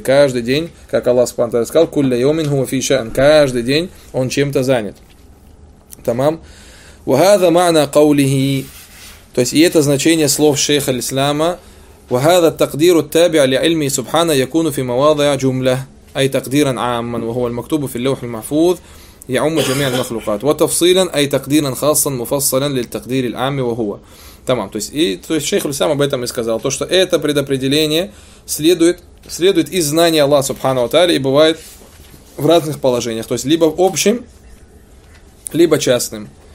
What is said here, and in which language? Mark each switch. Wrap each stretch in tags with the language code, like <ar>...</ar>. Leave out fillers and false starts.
<ru>Каждый день, как Аллах Субхану Тааля сказал, кулля йомин хуа фи шаан, каждый день он чем-то занят. Тамам. Ва хаза маъна каулихи. То есть и это значение слов шейха аль-ислама.</ru> <ar>Ва хаза такдиру таби'а ли альми субхана якуну фи маваза'а джумля. Ай такдиран амман, ва хуа аль-мактубу фи ль-лаухи аль-махфуз. يعم جميع المخلوقات وتفصيلا اي تقديرا خاصا مفصلا للتقدير العام وهو تمام.</ar> <ru>То есть, и то есть шейх аль-Ислам об этом и сказал, то что это предопределение следует из знания Аллаха субхана ва тааля и бывает в разных положениях, то есть либо общим, либо частным.</ru>